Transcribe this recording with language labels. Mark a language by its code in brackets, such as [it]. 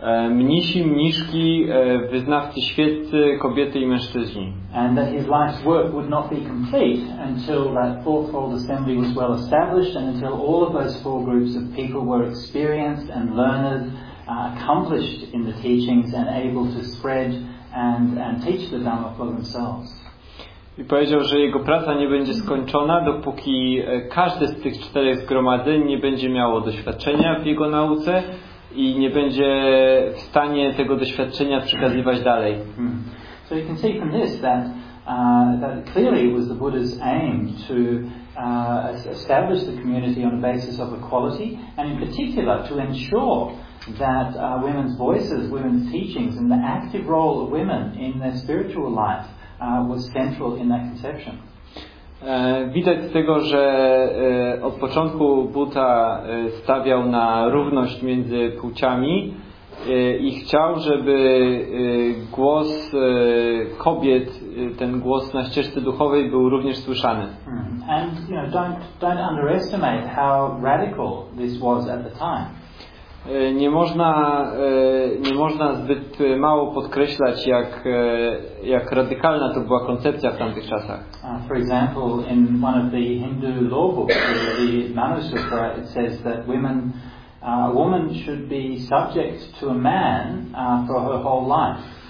[pl] Mnisi, mniszki, wyznawcy świeccy, kobiety i mężczyźni. [en] And that his life's work would not be complete until that fourfold assembly was well established and until all of those four groups of people were experienced and learned, accomplished in the teachings and able to spread and teach the Dhamma for themselves. [pl] I powiedział, że jego praca nie będzie skończona, dopóki każde z tych czterech zgromadzeń nie będzie miało doświadczenia w jego nauce i nie będzie w stanie tego doświadczenia przekazywać dalej. [en] So you can see from this that that clearly was the Buddha's aim to establish the community on a basis of equality and in particular to ensure that women's voices, women's teachings and the active role of women in their spiritual life was central in that conception. [pl] Widać z tego, że od początku Buddha stawiał na równość między płciami i chciał, żeby głos kobiet, ten głos na ścieżce duchowej był również słyszany. [en] And you know, don't underestimate how radical this was at the time. [pl] Nie można zbyt mało podkreślać, jak radykalna to była koncepcja w tamtych czasach. [en] For example, in one of the Hindu law books, the Manusutra, it says that a woman should be subject to a man for her whole life.